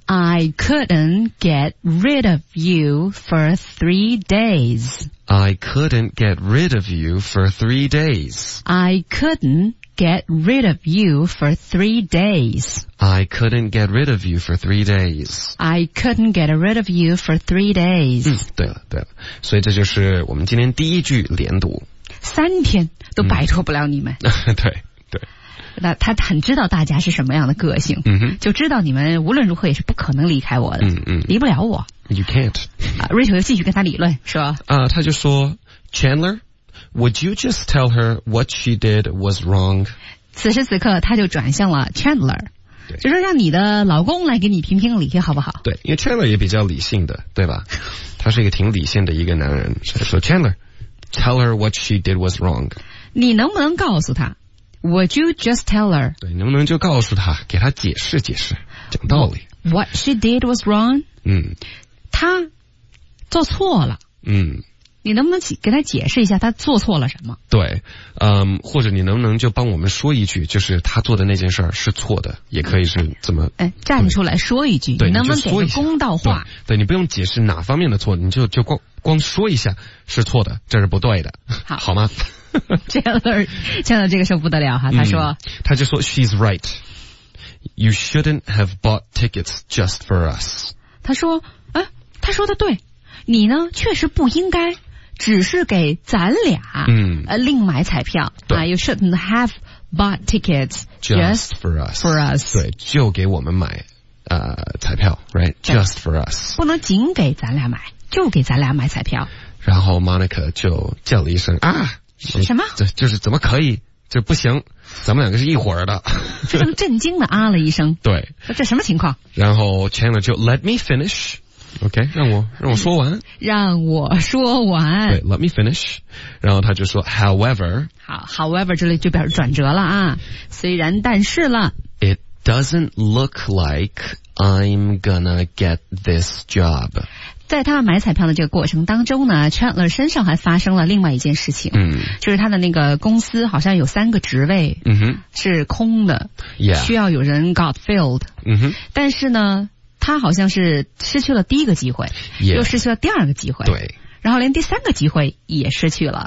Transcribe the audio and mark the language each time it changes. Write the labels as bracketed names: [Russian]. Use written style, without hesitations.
[English] I couldn't get rid of you for three days. I couldn't get rid of you for three days. I couldn't get rid of you for 3 days. I couldn't get rid of you for 3 days. I couldn't get rid of you for 3 days. [Chinese] 对了。所以这就是我们今天第一句连读。三天都摆脱不了你们。对。那他很知道大家是什么样的个性，就知道你们无论如何也是不可能离开我的，离不了我。 [English] You can't. [Chinese] Rachel 又继续跟他理论，说。他就说 [English] ,Chandler,Would you just tell her what she did was wrong? [Chinese] 此时此刻他就转向了 Chandler, 就说让你的老公来给你评评理好不好。对，因为 Chandler 也比较理性的，对吧，他是一个挺理性的一个男人，所以说 Chandler, [English] tell her what she did was wrong. [Chinese] 你能不能告诉他 [English] Would you just tell her? [Chinese] 对，能不能就告诉他，给他解释解释，讲道理。 [English] What she did was wrong? [Chinese] 他做错了。你能不能给他解释一下他做错了什么？对，或者你能不能就帮我们说一句，就是他做的那件事儿是错的，也可以是怎么？站出来说一句，你能不能给个公道话？对，你不用解释哪方面的错，你就光说一下是错的，这是不对的，好吗？ Chandler这个时候不得了哈，他说，他就说 [English] She's right. You shouldn't have bought tickets just for us. [Chinese] 他说，他说的对。你呢确实不应该只是给咱俩另买彩票。 [English] You shouldn't have bought tickets just for us. For us. [Chinese] 对，就给我们买彩票， [English] right? Just for us. [Chinese] 不能仅给咱俩买，就给咱俩买彩票。然后 Monica 就叫了一声啊，什么？这就是怎么可以，这不行，咱们两个是一伙的。非常震惊的啊了一声。对。这什么情况？ [English] 然后 Chandler 就 let me finish. OK, [Chinese] 让我说完。让我说完。 [English] 对 ,let me finish. [Chinese] 然后他就说 [English] ,however. [Chinese] 好 ,however 这里就表示转折了啊。虽然但是了。 [English] It doesn't look like I'm gonna get this job. [Chinese] 在他买彩票的这个过程当中呢 ,Chandler 身上还发生了另外一件事情。就是他的那个公司好像有三个职位是空的。需要有人 [English] got filled. [Chinese] 但是呢他好像是失去了第一个机会，又失去了第二个机会，对，然后连第三个机会也失去了。